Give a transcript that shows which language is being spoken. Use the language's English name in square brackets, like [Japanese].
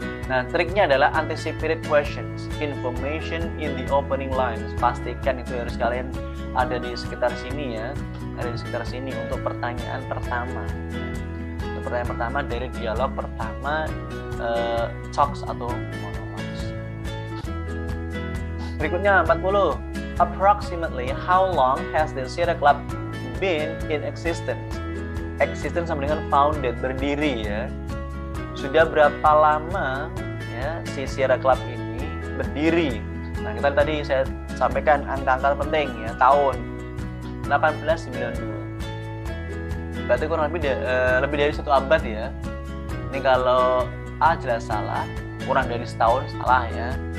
[Indonesian] Nah, triknya adalah [English] anticipated questions, information in the opening lines. [Indonesian] Pastikan itu harus kalian ada di sekitar sini ya, ada di sekitar sini untuk pertanyaan pertama. Pertanyaan pertama dari dialog pertama talks atau monologs. Berikutnya 40. [English] Approximately how long has the Sierra Club been in existence? [Indonesian] Existence sama dengan founded, berdiri ya. Sudah berapa lama ya si Sierra Club ini berdiri? Nah, kita tadi saya sampaikan angka-angka penting ya, tahun 1892. Berarti kurang lebih dari satu abad ya. Ini kalau A jelas salah, kurang dari setahun salah ya.